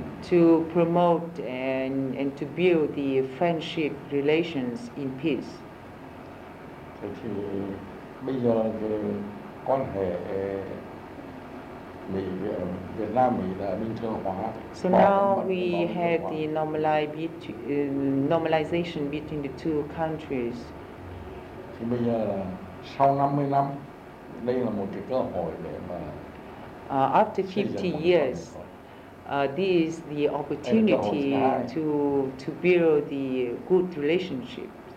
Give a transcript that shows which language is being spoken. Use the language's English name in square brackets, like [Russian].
[English] To promote and to build the friendship relations in peace. [Vietnamese] Thế thì bây giờ cái quan hệ Mỹ Việt Nam Mỹ là bình thường hóa. [English] So now we have the normalization between the two countries. [Vietnamese] Thì bây giờ là sau 50 năm, đây là một cái cơ hội để mà [English] After 50 years. This is the opportunity to build the good relationship.